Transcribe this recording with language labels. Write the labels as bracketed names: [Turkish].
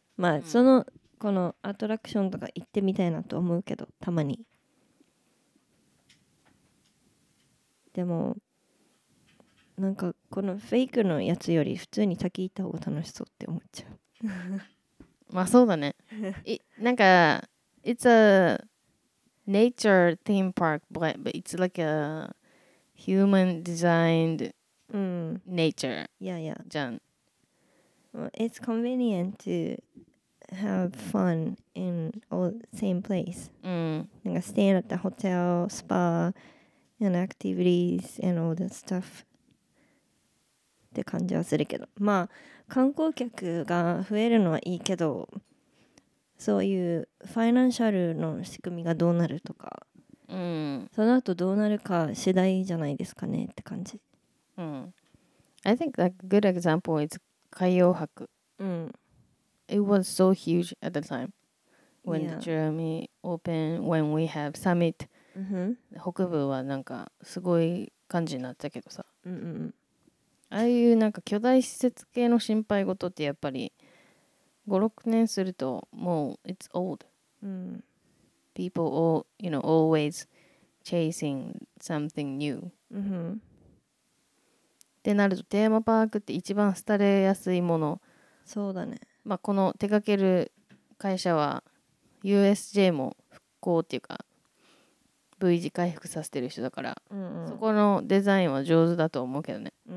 [Japanese] まあ、うん、そのこのアトラクションとか行ってみたいなと思うけど、たまに。でもなんかこのフェイクのやつより普通に滝行った方が楽しそうって思っちゃう。まあそうだね。なんか [English] It's a nature theme park, but it's like a human designed nature. Yeah, yeah. Jan. Well, it's convenient to have fun in all the same place. Like staying at the hotel, spa, and activities, and all that stuff. [Japanese] って感じはするけど、まあ観光客が増えるのはいいけど、そういうファイナンシャルの仕組みがどうなるとか、その後どうなるか次第じゃないですかねって感じ。 [English] I think a good example is 海洋博。 It was so huge at the time when Germany opened, when we have summit. [Japanese] 北部はなんかすごい感じになったけどさ。ああいうなんか巨大施設系の心配事ってやっぱり5、6年するともう [English] it's old. People all, you know, always chasing something new. [Japanese] ってなるとテーマパークって一番廃れやすいもの。そうだね。まあこの手掛ける会社は USJ も復興っていうか V 字回復させてる人だから、そこのデザインは上手だと思うけどね。